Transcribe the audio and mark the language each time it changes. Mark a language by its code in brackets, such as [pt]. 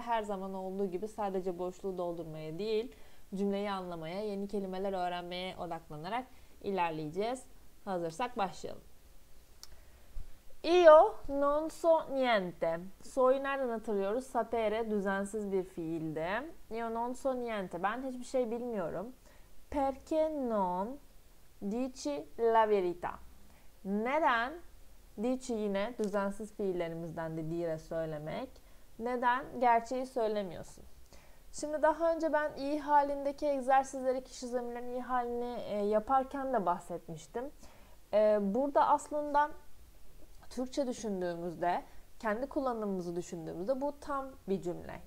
[tr] Her zaman olduğu gibi sadece boşluğu doldurmaya değil, cümleyi anlamaya, yeni kelimeler öğrenmeye odaklanarak ilerleyeceğiz. Hazırsak başlayalım. [it] Io non so niente. [tr] So'yu nereden hatırlıyoruz? Sapere, düzensiz bir fiilde. [it] Io non so niente. [tr] Ben hiçbir şey bilmiyorum. [it] Perché non dici la verità? [tr] Neden? Dici yine düzensiz fiillerimizden de dire söylemek. Neden gerçeği söylemiyorsun? Şimdi daha önce ben iyi halindeki egzersizleri, kişi zamirlerinin iyi halini yaparken de bahsetmiştim. Burada aslında Türkçe düşündüğümüzde, kendi kullanımımızı düşündüğümüzde bu tam bir cümle.